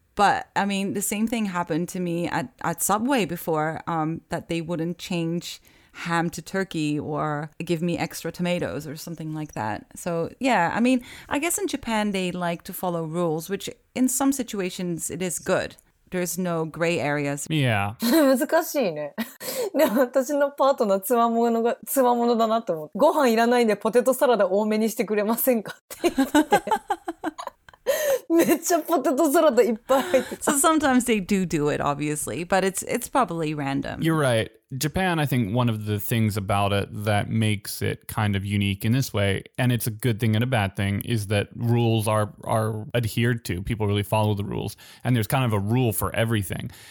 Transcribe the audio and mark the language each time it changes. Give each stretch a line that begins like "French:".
English: But, I mean, the same thing happened to me at Subway before, that they wouldn't change ham to turkey or give me extra tomatoes or something like that. So, yeah, I mean, I guess in Japan, they like to follow rules, which in some situations, it is good. There's no gray areas. Yeah.
Japanese: 難しいね。でも私のパートナーつまものだなと思って、ご飯いらないんでポテトサラダ多めにしてくれませんかって言ってめっちゃポテトサラダいっぱい入って
English: た。 So sometimes they do it, obviously, but it's probably random. You're right. Japan, I think one of the things about it that makes it kind of unique in this way, and it's a good thing and a bad thing, is that rules are adhered to. People really follow the rules, and there's kind of a rule for everything.